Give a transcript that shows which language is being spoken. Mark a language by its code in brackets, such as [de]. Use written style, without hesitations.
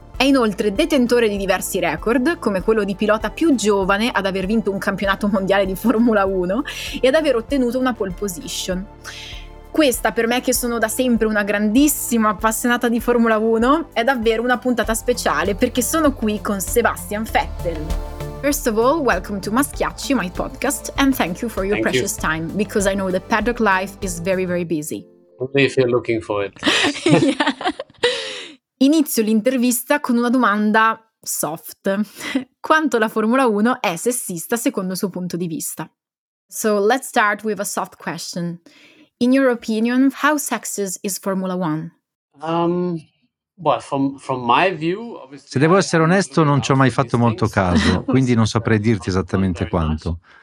[it] È inoltre detentore di diversi record, come quello di pilota più giovane ad aver vinto un campionato mondiale di Formula 1 e ad aver ottenuto una pole position. Questa, per me che sono da sempre una grandissima appassionata di Formula 1, è davvero una puntata speciale perché sono qui con Sebastian Vettel. [en] First of all, welcome to Maschiacci, my podcast, and thank you for your thank precious you. Time because I know the paddock life is very, very busy. Only if you're looking for it. Yeah. [it] Inizio l'intervista con una domanda soft. Quanto la Formula 1 è sessista secondo il suo punto di vista? [en] So let's start with a soft question. In your opinion, how sexist is Formula One? From my view, [it] se devo essere onesto, non ci ho mai fatto molto caso, quindi non saprei dirti esattamente quanto.